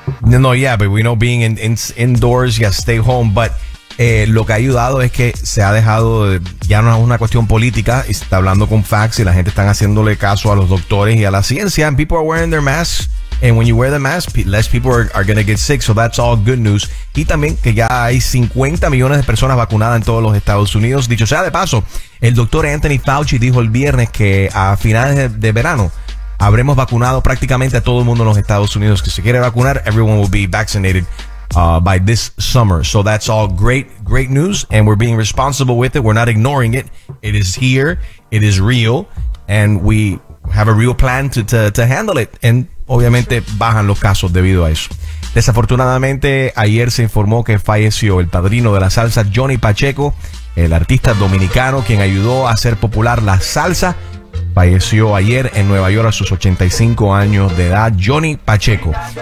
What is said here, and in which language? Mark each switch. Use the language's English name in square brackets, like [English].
[English] No, yeah, but we know being indoors, yeah, stay home. [Spanish] But lo que ha ayudado es que se ha dejado, ya no es una cuestión política, está hablando con facts y la gente está haciéndole caso a los doctores y a la ciencia. [English] And people are wearing their masks. And when you wear the mask, less people are going to get sick. So that's all good news. [Spanish] Y también que ya hay 50 millones de personas vacunadas en todos los Estados Unidos. Dicho sea de paso, el doctor Anthony Fauci dijo el viernes que a finales de verano habremos vacunado prácticamente a todo el mundo en los Estados Unidos. Que si quiere vacunar, [English] everyone will be vaccinated by this summer. So that's all great, great news. And we're being responsible with it. We're not ignoring it. It is here. It is real. And we have a real plan to handle it. And [Spanish] obviamente bajan los casos debido a eso. Desafortunadamente, ayer se informó que falleció el padrino de la salsa, Johnny Pacheco, el artista dominicano quien ayudó a hacer popular la salsa. Falleció ayer en Nueva York a sus 85 años de edad, Johnny Pacheco.